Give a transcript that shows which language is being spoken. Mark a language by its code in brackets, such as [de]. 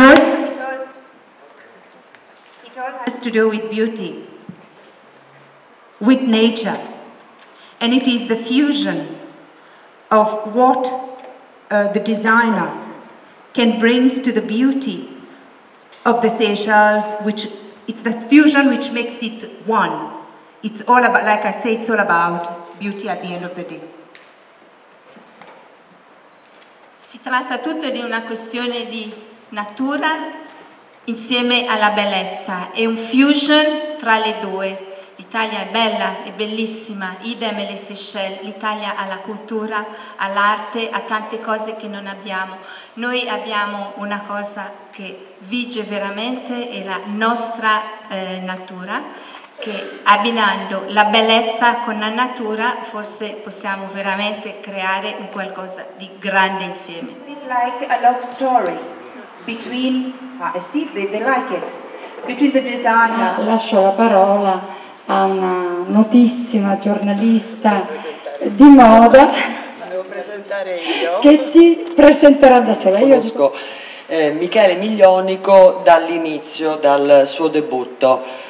[en] It all has to do with beauty, with nature, and it is the fusion of what the designer can bring to the beauty of the Seychelles, which it's the fusion which makes it one. It's all about, like I say, it's all about beauty at the end of the day. [it] Si tratta tutto di una questione di natura insieme alla bellezza, è un fusion tra le due. L'Italia è bella, è bellissima, idem le Seychelles, l'Italia ha la cultura, ha l'arte, ha tante cose che non abbiamo. Noi abbiamo una cosa che vige veramente, è la nostra natura, che abbinando la bellezza con la natura forse possiamo veramente creare un qualcosa di grande insieme. [en] Like a love story between I see they like it between the designer. [it] Lascio la parola a una notissima giornalista di moda. Devo presentare io. Che si presenterà da sola. Io conosco Michele Miglionico dall'inizio, dal suo debutto.